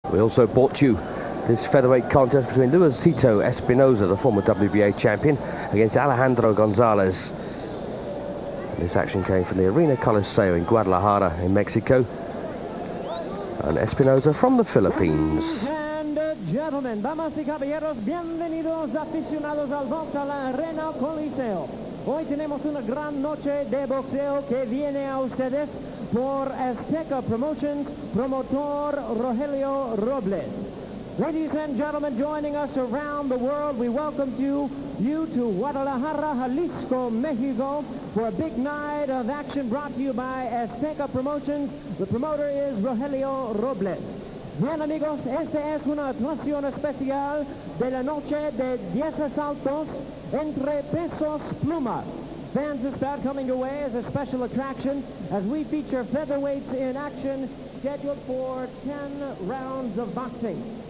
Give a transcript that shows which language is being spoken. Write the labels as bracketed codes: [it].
[en] We also brought you this featherweight contest between Luisito Espinoza, the former WBA champion, against Alejandro Gonzalez. This action came from the Arena Coliseo in Guadalajara in Mexico. And Espinoza from the Philippines. [es] Gentlemen, damas y caballeros, bienvenidos aficionados al box a la Arena Coliseo. Hoy tenemos una gran noche de boxeo que viene a ustedes por Azteca Promotions, promotor Rogelio Robles. [en] Ladies and gentlemen, joining us around the world, we welcome you to Guadalajara, Jalisco, Mexico, for a big night of action brought to you by Azteca Promotions. The promoter is Rogelio Robles. [es] Bien amigos, esta es una actuación especial de la noche de 10 asaltos entre pesos plumas. [en] Fans, this bout coming your way as a special attraction as we feature featherweights in action scheduled for 10 rounds of boxing.